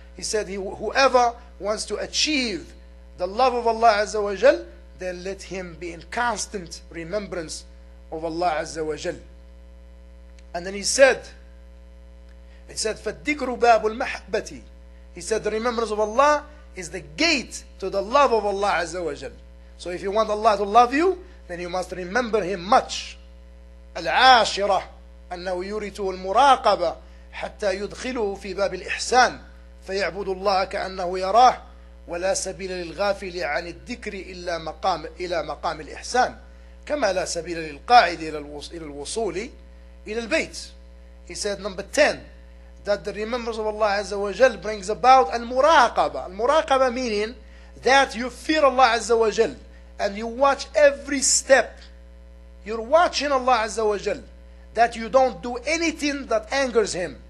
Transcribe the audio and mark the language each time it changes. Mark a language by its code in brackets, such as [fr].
[en] He said, whoever wants to achieve the love of Allah Azza wa Jal, then let him be in constant remembrance of Allah Azza wa Jal. And then he said, [ar] فَالذِّكْرُ بَابُ الْمَحَبَّةِ. [en] He said, the remembrance of Allah is the gate to the love of Allah Azza wa Jal. So if you want Allah to love you, then you must remember him much. [ar] العاشرة أنه يورثه المراقبة حتى يدخله في باب الإحسان فيعبد الله كأنه يراه ولا سبيل للغافل عن الذكر إلا مقام إلى مقام الإحسان كما لا سبيل للقاعد إلى الوصول إلى البيت. [en] He said number 10, that the remembrance of Allah Azza wa Jal brings about المراقبة. المراقبة meaning that you fear Allah Azza wa Jal and you watch every step. You're watching Allah Azza wa Jal, that you don't do anything that angers him.